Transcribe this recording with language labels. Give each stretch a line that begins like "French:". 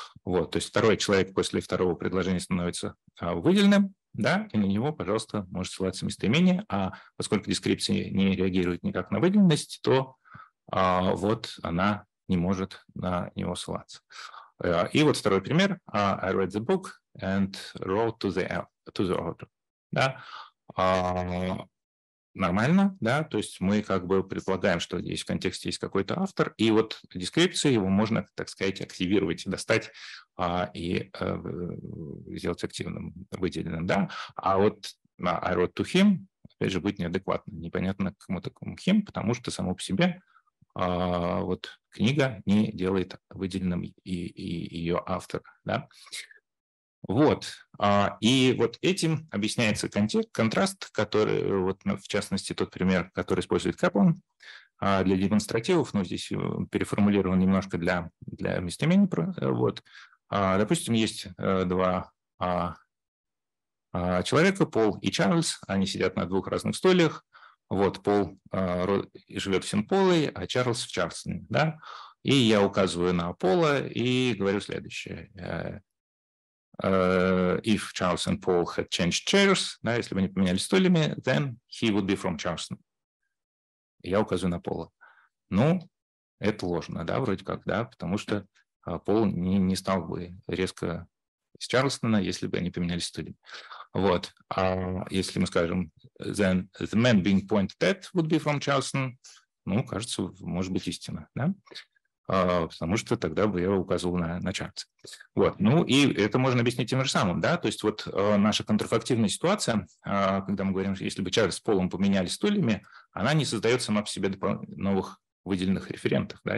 Russian: Вот, то есть второй человек после второго предложения становится выделенным, да, и на него, пожалуйста, может ссылаться местоимение, а поскольку дескрипция не реагирует никак на выделенность, то вот она не может на него ссылаться. И вот второй пример.
English: I read the book and wrote to the author.
Russian: Да? Нормально, да, то есть мы как бы предполагаем, что здесь в контексте есть какой-то автор, и вот дескрипцию его можно, так сказать, активировать, достать и сделать активным, выделенным, да. А вот
English: I wrote to him,
Russian: опять же, будет неадекватно, непонятно, к кому такому him, потому что само по себе вот книга не делает выделенным и ее автор, да. Вот, и вот этим объясняется контраст, который, вот в частности, тот пример, который использует Каплан для демонстративов, но здесь переформулирован немножко для местоимений. Вот, допустим, есть два человека, Пол и Чарльз, они сидят на двух разных стульях, вот, Пол живет в Сент-Полой, а Чарльз в Чарльстоне, да, и я указываю на Пола и говорю следующее.
English: If Charles and Paul had changed chairs,
Russian: да, если бы они поменяли стульями,
English: then he would be from Charleston.
Russian: Я указываю на Пола. Ну, это ложно, да, вроде как, да, потому что Пол не стал бы резко из Чарльстона, если бы они поменяли стульями. Вот, если мы скажем,
English: then the man being pointed at would be from Charleston,
Russian: ну, кажется, может быть, истина, да? Потому что тогда бы я указывал на чарт. Вот. Ну, и это можно объяснить тем же самым, да? То есть вот наша контрфактивная ситуация, когда мы говорим, что если бы чарт с полом поменяли стульями, она не создает сама по себе новых выделенных референтов, да?